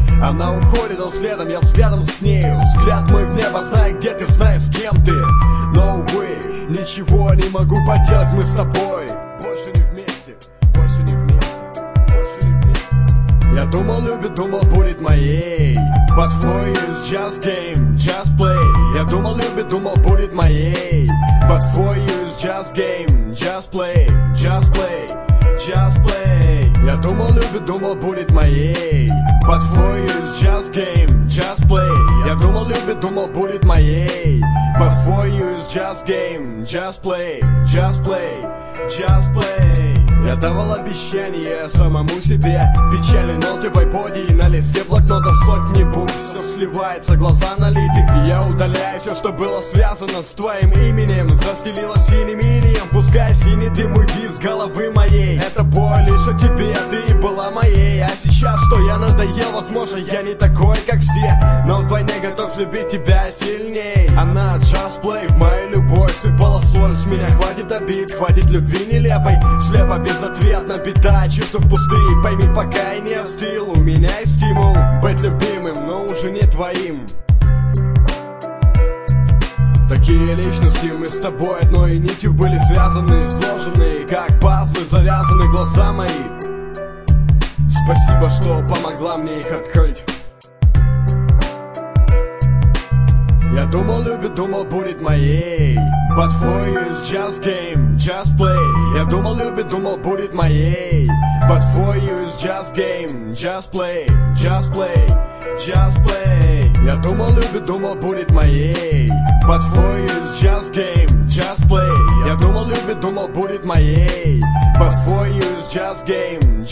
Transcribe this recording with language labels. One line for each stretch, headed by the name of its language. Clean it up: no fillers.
Russian: Она уходит, он следом, я следом с нею. Взгляд мой в небо, знай, где ты, знай, с кем ты. Но, увы, ничего не могу поделать, мы с тобой больше не вместе, больше не вместе, больше не вместе. Я думал, любит, думал, будет моей.
English: But for you it's just game, just play.
Russian: Я думал, любит, думал, будет моей.
English: But for you it's just game, just play, just play, just play.
Russian: Я думал, любит, думал, будет моей.
English: But for you it's just game, just play.
Russian: Я думал, любит, думал, будет моей.
English: But for you it's just game, just play, just play, just play.
Russian: Я давал обещание самому себе. Печальные ноты в айподе и на листе блокнота сотни букв. Все сливается, глаза налиты, и я удаляю все, что было связано с твоим именем. Застелила синим инеем, пускай синий дым уйди с головы моей. Это боль лишь о тебе, ты и была моей. А сейчас, что я надоел, возможно, я не такой, как все, но вдвойне готов любить тебя сильней. Она
English: just play
Russian: в моей любовь, сыпала соль с меня, хватит обид, хватит любви нелепой. Слепо, безответно, беда, чувства пустые. Пойми, пока я не остыл, у меня есть стимул быть любимым, но уже не твоим. Такие личности мы с тобой одной нитью были связаны, сложены, как пазлы, завязаны глаза мои. Спасибо, что помогла мне их открыть. Я думал, любит, думал, будет моей.
English: But for you it's just game, just play.
Russian: Я думал, любит, думал, будет моей.
English: But for you it's just game, just play, just play, just play.
Russian: Я думал, любит, думал, будет моей.
English: But for you it's just game, just play.
Russian: Я думал, любит, думал, будет моей.
English: But for you it's just game.